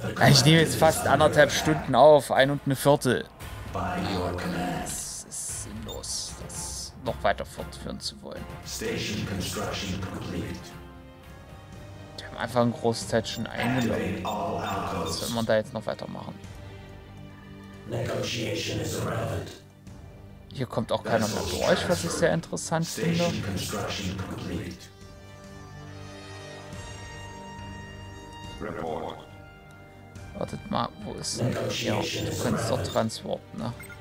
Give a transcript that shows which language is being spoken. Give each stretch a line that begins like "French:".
German: Ich nehme jetzt fast anderthalb Stunden auf, ein und eine Viertel. Das ist sinnlos, das noch weiter fortführen zu wollen.
English: Station Construction complete.
German: Die haben einfach einen Großteil schon eingenommen. Was will man da jetzt noch weitermachen?
English: Negotiation is irrelevant.
German: Hier kommt auch keiner mehr bei euch, was ich sehr interessant finde. Wartet mal, wo ist denn der? Ja, du kannst doch transporten, ne?